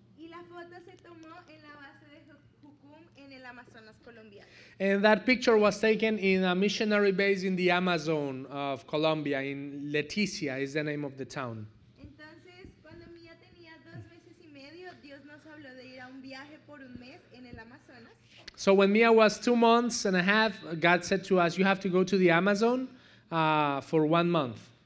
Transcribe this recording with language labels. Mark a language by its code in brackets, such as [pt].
[es] Y la foto se tomó en la base de Jucum en el Amazonas, Colombia. [en] And that picture was taken in a missionary base in the Amazon of Colombia, in Leticia is the name of the town. [es] Entonces, cuando Mía tenía 2 meses y medio, Dios nos habló de ir a un viaje por un mes en el Amazonas. [en] So when Mía was 2 months and a half, God said to us, you have to go to the Amazon for 1 month.